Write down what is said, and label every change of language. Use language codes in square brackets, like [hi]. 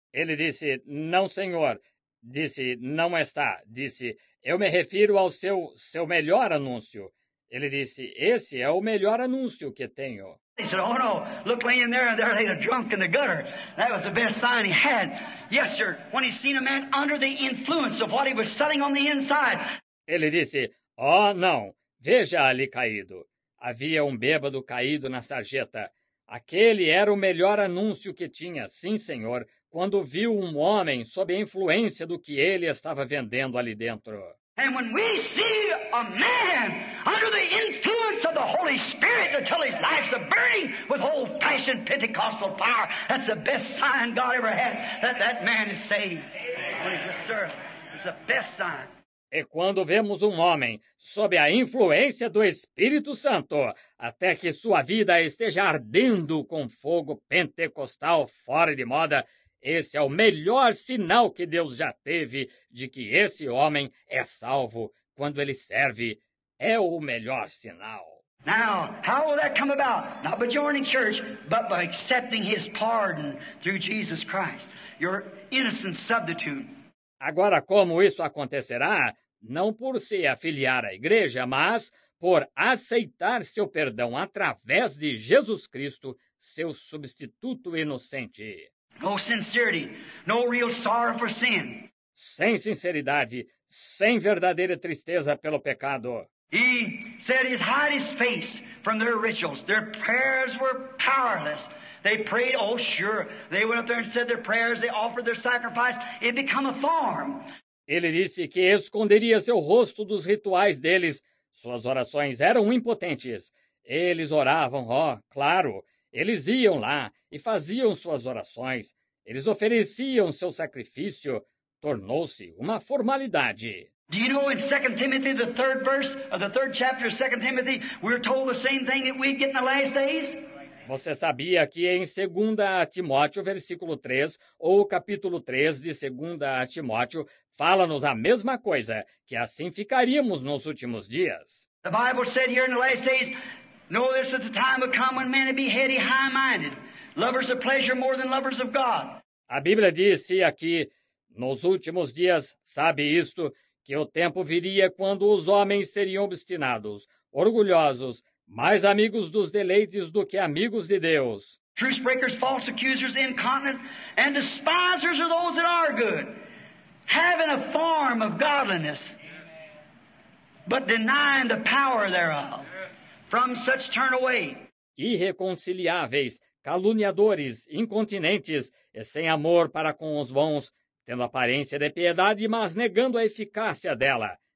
[pt] Ele disse: Não, senhor. Disse: Não está. Disse: Eu me refiro ao seu melhor anúncio. Ele disse: Esse é o melhor anúncio que tenho. [en] He said, oh, no, look laying there, and there lay a drunk in the gutter. That was the best sign he had. Yes, sir, when he seen a man under the influence of what he was selling on the inside. [pt] Ele disse: Oh, não, veja ali caído. Havia um bêbado caído na sarjeta. Aquele era o melhor anúncio que tinha, sim, senhor, quando viu um homem sob a influência do que ele estava vendendo ali dentro. [en] And when we see a man under the influence of the Holy Spirit until his life's a burning with old-fashioned Pentecostal fire, that's the best sign God ever had that man is saved. When he's a servant, it's the best sign. [pt] E quando vemos um homem sob a influência do Espírito Santo, até que sua vida esteja ardendo com fogo pentecostal fora de moda, esse é o melhor sinal que Deus já teve de que esse homem é salvo. Quando ele serve, é o melhor sinal. [en] Now, how will that come about? Not by joining church, but by accepting his pardon through Jesus Christ, your innocent substitute. [pt] Agora, como isso acontecerá? Não por se afiliar à igreja, mas por aceitar seu perdão através de Jesus Cristo, seu substituto inocente. [en] No sincerity, no real sorrow for sin. [pt] Sem sinceridade, sem verdadeira tristeza pelo pecado. [en] He said he hid his face from their rituals. Their prayers were powerless. They prayed, oh sure, they went up there and said their prayers, they offered their sacrifice, it became a thorn. [pt] Ele disse que esconderia seu rosto dos rituais deles. Suas orações eram impotentes. Eles oravam, ó, claro. Eles iam lá e faziam suas orações. Eles ofereciam seu sacrifício. Tornou-se uma formalidade. [en] Do you know in 2 Timothy, the third verse of the third chapter of 2 Timothy, we're told the same thing that we'd get in the last days? [pt] Você sabia que em 2 Timóteo, versículo 3, ou capítulo 3 de 2 Timóteo, fala-nos a mesma coisa, que assim ficaríamos nos últimos dias? [en] The Bible said here in the last days, know this at the time will come when men will be heady, high-minded, lovers of pleasure more than lovers of God. [pt] A Bíblia disse aqui, nos últimos dias, sabe isto, que o tempo viria quando os homens seriam obstinados, orgulhosos, mais amigos dos deleites do que amigos de Deus. [en] Truth breakers, false accusers, incontinent, and despisers of those that are good, having a form of godliness, but denying the power thereof. From such turn away. [pt] Irreconciliáveis, caluniadores, incontinentes, e sem amor para com os bons, tendo aparência de piedade, mas negando a eficácia dela.